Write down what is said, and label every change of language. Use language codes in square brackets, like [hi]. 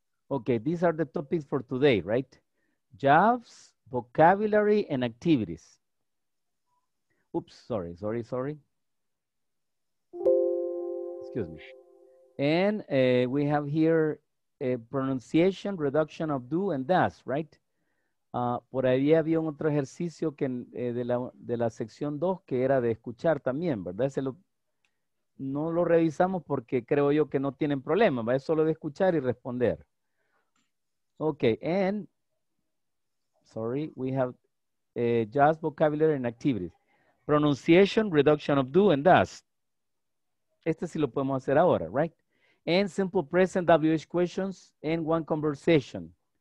[en] Okay, these are the topics for today, right? Jobs, vocabulary, and activities. Oops, sorry. Excuse me. And we have here a pronunciation, reduction of do and does, right? [es] Por ahí había un otro ejercicio que de la sección 2 que era de escuchar también, ¿verdad? No lo revisamos porque creo yo que no tienen problema, ¿verdad? Es solo de escuchar y responder. [en] Okay, and sorry, we have just vocabulary and activities. Pronunciation, reduction of do and does. [es] Este sí lo podemos hacer ahora, [en] right? And simple present WH questions and one conversation.